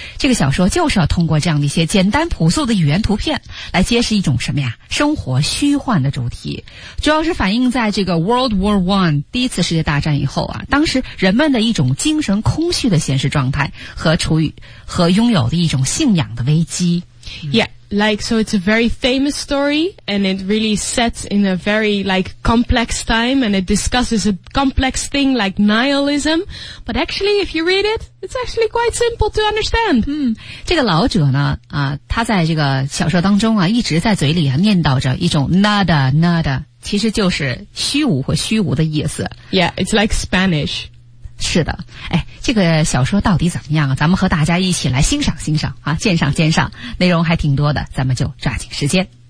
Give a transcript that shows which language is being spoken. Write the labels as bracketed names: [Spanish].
[Chinese] 这个小说就是要通过这样的一些简单朴素的语言图片来揭示一种什么呀？生活虚幻的主题，主要是反映在这个 World War One 第一次世界大战以后啊，当时人们的一种精神空虚的现实状态和处于和拥有的一种信仰的危机。 [English] Yeah, like, so it's a very famous story, and it really sets in a very, like, complex time, and it discusses a complex thing like nihilism. But actually, if you read it, it's actually quite simple to understand. [Chinese] 嗯，这个老者呢，啊，他在这个小说当中啊，一直在嘴里啊念叨着一种 nada, nada, 其实就是虚无或虚无的意思。 [English] Yeah, it's like Spanish. [Chinese] 是的，哎，这个小说到底怎么样啊？咱们和大家一起来欣赏欣赏啊，鉴赏鉴赏，内容还挺多的，咱们就抓紧时间。